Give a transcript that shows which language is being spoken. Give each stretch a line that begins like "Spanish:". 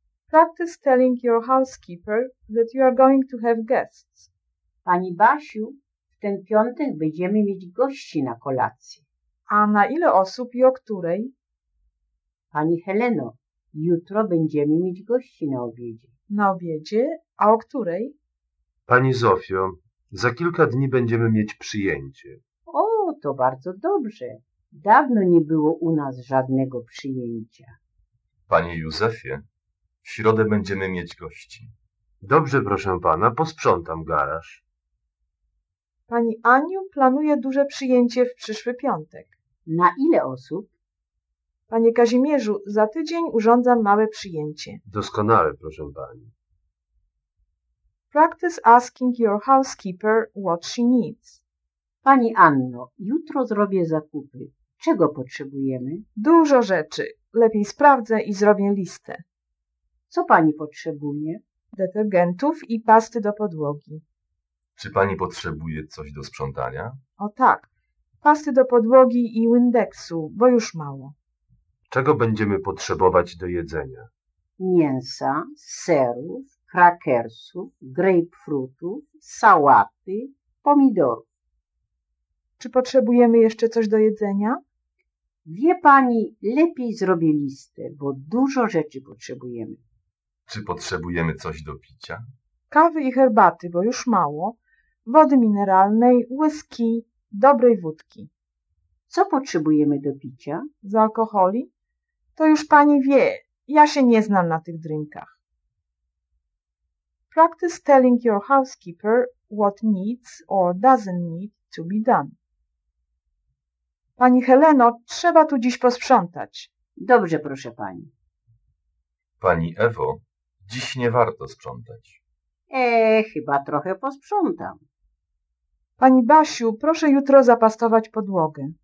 English: Practice telling your housekeeper that you are going to have guests.
Polish: Pani Basiu, w ten piątek będziemy mieć gości na kolację. A na ile osób i o której? Pani Heleno, jutro będziemy mieć gości na obiedzie. Na obiedzie? A o której? Pani Zofio, za kilka dni będziemy mieć przyjęcie. O, to bardzo dobrze. Dawno nie było u nas żadnego przyjęcia. Panie Józefie, w środę będziemy mieć gości. Dobrze, proszę pana, posprzątam garaż. Pani Aniu planuje duże przyjęcie w przyszły piątek. Na ile osób? Panie Kazimierzu, za tydzień urządzam małe przyjęcie. Doskonale, proszę pani.
English: Practice asking your housekeeper what she needs.
Polish: Pani Anno, jutro zrobię zakupy. Czego potrzebujemy? Dużo rzeczy. Lepiej sprawdzę i zrobię listę. Co pani potrzebuje? Detergentów i pasty do podłogi. Czy pani potrzebuje coś do sprzątania? O tak. Pasty do podłogi i Windexu, bo już mało. Czego będziemy potrzebować do jedzenia? Mięsa, serów, krakersów, grapefruitów, sałaty, pomidorów. Czy potrzebujemy jeszcze coś do jedzenia? Wie pani, lepiej zrobię listę, bo dużo rzeczy potrzebujemy. Czy potrzebujemy coś do picia? Kawy i herbaty, bo już mało. Wody mineralnej, whisky, dobrej wódki. Co potrzebujemy do picia? Z alkoholi? To już pani wie, ja się nie znam na tych drinkach.
English: Practice telling your housekeeper what needs or doesn't need to be done.
Polish: Pani Heleno, trzeba tu dziś posprzątać. Dobrze, proszę pani. Pani Ewo, dziś nie warto sprzątać. Chyba trochę posprzątam. Pani Basiu, proszę jutro zapastować podłogę.